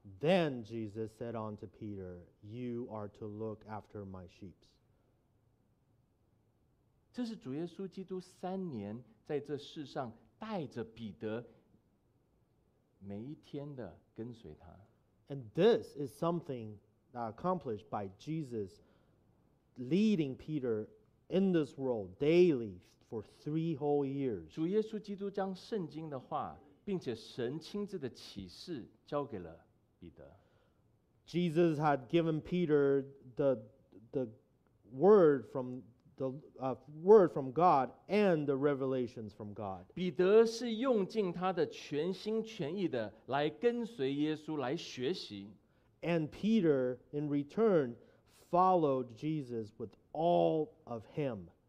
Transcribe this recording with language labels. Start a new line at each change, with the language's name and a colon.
English: Then Jesus said unto Peter, you are to look after my sheep.
Chinese: 这是主耶稣基督三年在这世上带着彼得 每一天的跟随他。
English: And this is something accomplished by Jesus leading Peter in this world daily for three whole years.
Chinese: 主耶稣基督将圣经的话，并且神亲自的启示交给了彼得。
English: Jesus had given Peter the word from word from God and the revelations from God.
Chinese: 彼得是用尽他的全心全意的来跟随耶稣来学习。
English: And Peter, in return, followed Jesus with all of him.